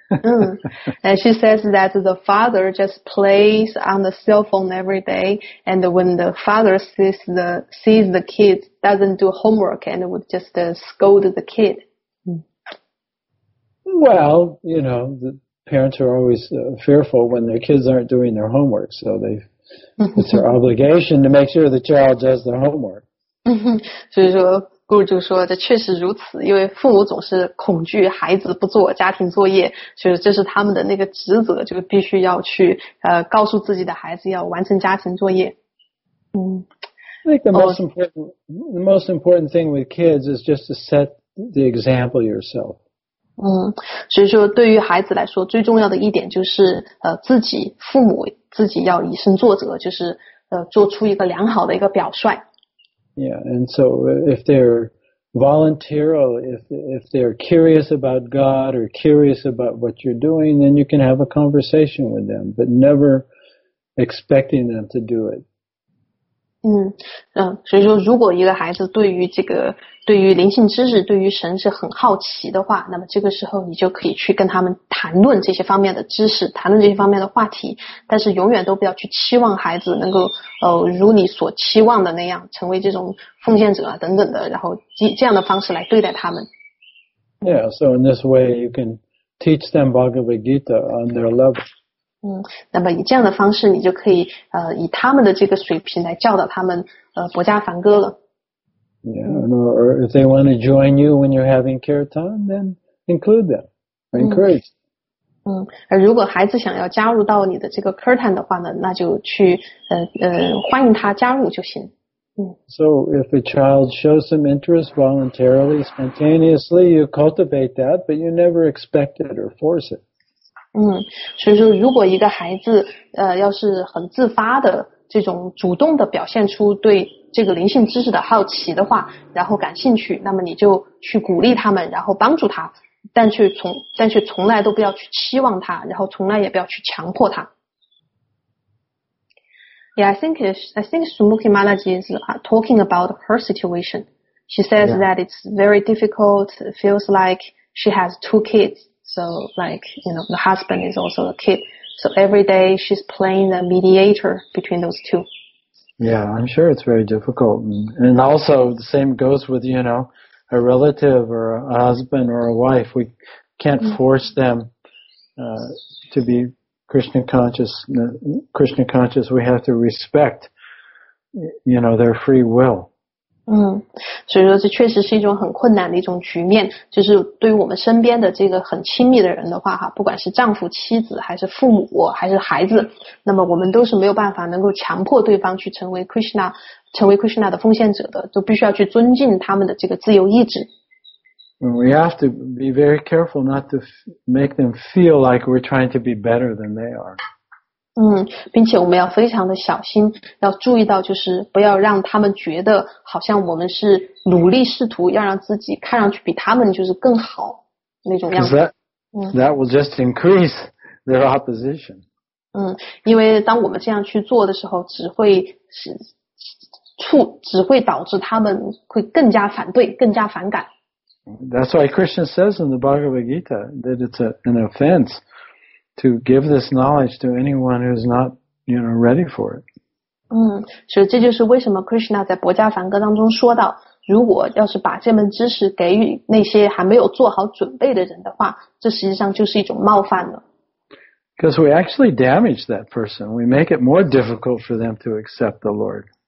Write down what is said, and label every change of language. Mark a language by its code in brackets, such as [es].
[en] And she says that the father just plays on the cell phone every day, and when the father sees the kid doesn't do homework and would just scold the kid. Well, you know, the parents are always fearful when their kids aren't doing their homework, so it's their obligation to make sure the child does their homework. [zh] 所以说顾就说这确实如此，因为父母总是恐惧孩子不做家庭作业，所以这是他们的那个职责，就必须要去告诉自己的孩子要完成家庭作业。 [en] I think the most important thing with kids is just to set the example yourself. [zh] 所以说对于孩子来说最重要的一点就是自己父母自己要以身作则，就是做出一个良好的一个表率。 [en] Yeah, and so if they're volunteer, or if they're curious about God or curious about what you're doing, then you can have a conversation with them, but never expecting them to do it. [zh] 所以说如果一个孩子对于这个对于灵性知识对于神是很好奇的话，那么这个时候你就可以去跟他们谈论这些方面的知识，谈论这些方面的话题，但是永远都不要去期望孩子能够如你所期望的那样成为这种奉献者啊等等的，然后以这样的方式来对待他们。 [en] Yeah, so in this way you can teach them Bhagavad Gita on their level. [zh] 那么以这样的方式你就可以以他们的这个水平来教导他们博家梵歌了。 [en] Yeah, or if they want to join you when you're having kirtan, then include them, encourage. [zh] 如果孩子想要加入到你的这个 kirtan 的话呢，那就去欢迎他加入就行。 [en] So if a child shows some interest voluntarily, spontaneously, you cultivate that, but you never expect it or force it. [zh] 所以说如果一个孩子要是很自发的这种主动的表现出对这个灵性知识的好奇的话，然后感兴趣，那么你就去鼓励他们，然后帮助他，但却从来都不要去期望他，然后从来也不要去强迫他。 [en] Yeah, I think Sumukhi Maharaj is talking about her situation. She says that it's very difficult. It feels like she has two kids, so like you know, the husband is also a kid. So every day she's playing the mediator between those two. Yeah, I'm sure it's very difficult. And also the same goes with, you know, a relative or a husband or a wife. We can't force them to be Krishna conscious. We have to respect, you know, their free will. [zh] 所以说这确实是一种很困难的一种局面，就是对于我们身边的这个很亲密的人的话哈，不管是丈夫妻子还是父母还是孩子，那么我们都是没有办法能够强迫对方去成为 Krishna 的奉献者的，都必须要去尊敬他们的这个自由意志。 [en] We have to be very careful not to make them feel like we're trying to be better than they are. [zh] 并且我们要非常的小心，要注意到就是不要让他们觉得好像我们是努力试图要让自己看上去比他们就是更好那种样子。 [en] That will just increase their opposition. [zh] 因为当我们这样去做的时候，只会导致他们会更加反对，更加反感。 [en] That's why Krishna says in the Bhagavad Gita that it's an offense to give this knowledge to anyone who's not, you know, ready for it. [zh] 所以这就是为什么 Krishna 在薄伽梵歌当中说到，如果要是把这门知识给予那些还没有做好准备的人的话，这实际上就是一种冒犯了。 [en] Because we actually damage that person. We make it more difficult for them to accept the Lord.